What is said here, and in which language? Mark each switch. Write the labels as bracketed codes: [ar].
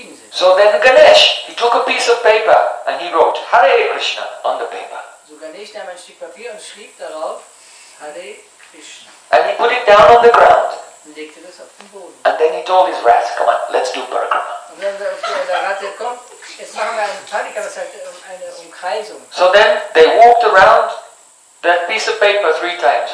[en] So then Ganesh, he took a piece of paper and he wrote Hare Krishna on the paper. [de] So Ganesh nahm ein Stück Papier und schrieb darauf Hare Krishna. [en] And he put it down on the ground. [de] Und legte das auf den Boden. [en] And then he told his rats, come on, let's do parikrama. [de] Und dann sagte der Rat, komm, jetzt machen wir einen Parikrama, das heißt eine Umkreisung. [en] So then they walked around that piece of paper three times.